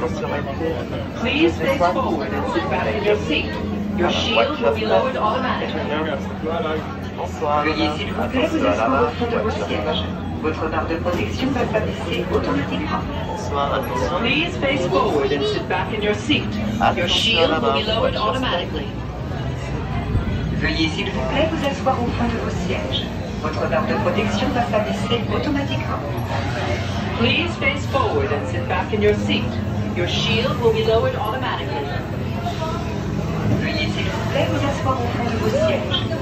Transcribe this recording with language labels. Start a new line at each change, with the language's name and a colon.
English: Please face forward and sit back in your seat. Your shield will be lowered automatically.
French: Veuillez s'il vous plaît vous asseoir au fond de vos sièges. Votre barre de protection va s'afficher automatiquement.
English: Please face forward and sit back in your seat. Your shield will be lowered automatically.
French: Veuillez s'il vous plaît vous asseoir au fond de vos sièges. Votre barre de protection va s'afficher automatiquement.
English: Please face forward and sit back in your seat. Your shield will be lowered automatically.
French: Veuillez s'il vous plaît vous asseoir au fond de vos sièges.